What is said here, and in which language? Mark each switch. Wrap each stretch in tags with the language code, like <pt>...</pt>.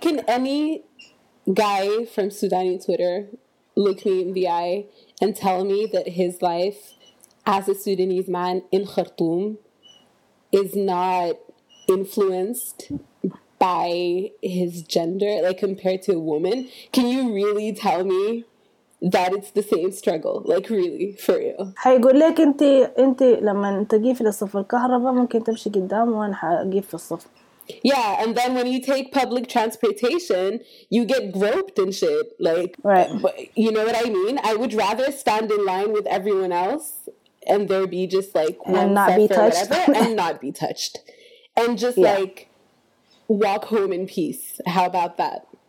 <en>Can any guy from Sudani Twitter look me in the eye and tell me that his life as a Sudanese man in Khartoum is not influenced by his gender, like, compared to a woman? Can you really tell me that it's the same struggle? Like, really, for real?</en> <ar>هيقول لك انت لما تجي في الصف الكهرباء ممكن تمشي قدام وانا اجي في الصف.</ar> <en>Yeah, and then when you take public transportation, you get groped and shit. Like, right. You know what I mean? I would rather stand in line with everyone else and there be just like one and not be touched. And not be touched. And just like walk home in peace. How about that?</en>